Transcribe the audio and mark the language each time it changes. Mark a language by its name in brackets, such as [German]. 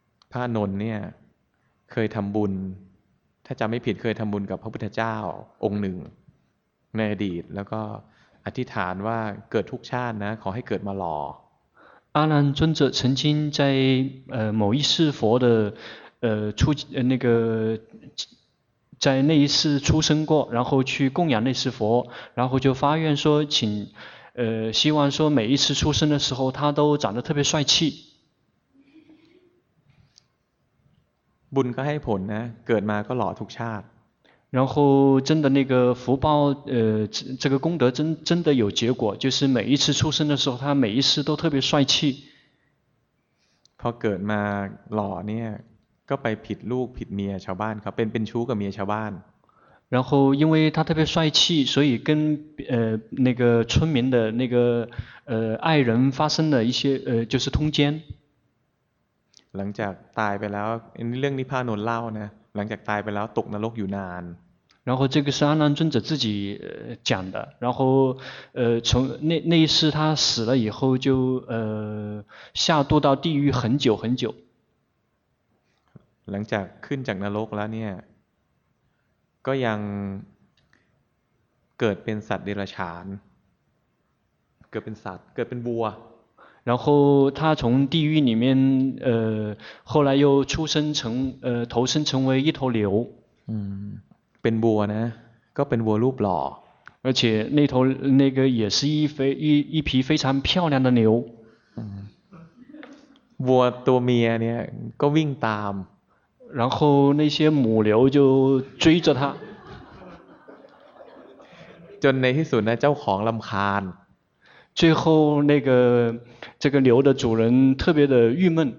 [Thai] พระอานนท์เนี่ยเคยทำบุญถ้าจำไม่ผิดเคยทำบุญกับพระพุทธเจ้าองค์หนึ่งในอดีตแล้วก็อธิษฐานว่าเกิดทุกชาตินะขอให้เกิดมาหล่อ [Chinese] 阿难尊者曾经在某一世佛的出那个在那一世出生过，然后去供养那世佛，然后就发愿说请希望说每一次出生的时候他都长得特别帅气。 [Thai] บุญก็ให้ผลนะเกิดมาก็หล่อทุกชาติ。 [Chinese] 然后真的那个福报这个功德真的有结果就是每一次出生的时候他每一次都特别帅气 [Thai] พอเกิดมาหล่อเนี่ยก็ไปผิดลูกผิดเมียชาวบ้านครับเป็นชู้กับเมียชาวบ้าน [Chinese] 然后因为他特别帅气所以跟那个村民的那个爱人发生了一些就是通奸 [Thai] หลังจากตายไปแล้วเรื่องนิพพานนท์เล่านะหลังจากตายไปแล้วตกนรกอยู่นาน [Chinese] 然后这个是阿难尊者自己讲的然后从那一次他死了以后就下堕到地狱很久很久 [Thai] หลังจากขึ้นจากนรกแล้วเนี่ยก็ยังเกิดเป็นสัตว์เดรัจฉานเกิดเป็นสัตว์เกิดเป็นวัว [Chinese] 然后他从地狱里面后来又出生成投生成为一头牛 [Thai] เป็นบัวนะก็เป็นวัวรูปหล่อ [Chinese] 而且那头那个也是一匹非常漂亮的牛 [Thai] วัวตัวเมียเนี่ยก็วิ่งตาม [Chinese] 然后那些母牛就追着他 [Thai] จนในที่สุดนะเจ้าของลำคาญ [Chinese] 最后那个这个牛的主人特别的郁闷